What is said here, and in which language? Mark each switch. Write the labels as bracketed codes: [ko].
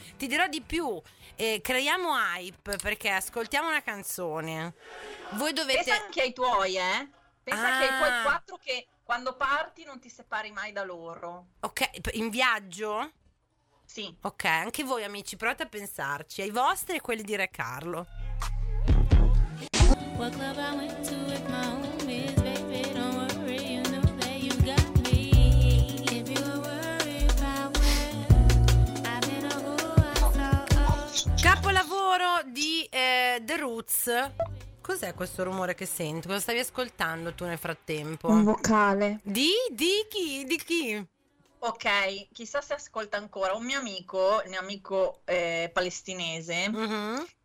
[it] Ti dirò di più, creiamo hype perché ascoltiamo una canzone. Voi dovete... Pensa anche ai tuoi, Pensa anche ai tuoi quattro che quando parti non ti separi mai da loro. Ok, in viaggio? Sì. Ok, anche voi amici, provate a pensarci, ai vostri e quelli di Re Carlo. [en] What club I went to with my homies, baby, don't worry, you know that you got me. If you were worried about where I've been or who I saw. [it] Capolavoro di The Roots. Cos'è questo rumore che sento? Cosa stavi ascoltando tu nel frattempo? Un vocale. Di chi? Ok, chissà se ascolta ancora. Un mio amico, palestinese, mm-hmm.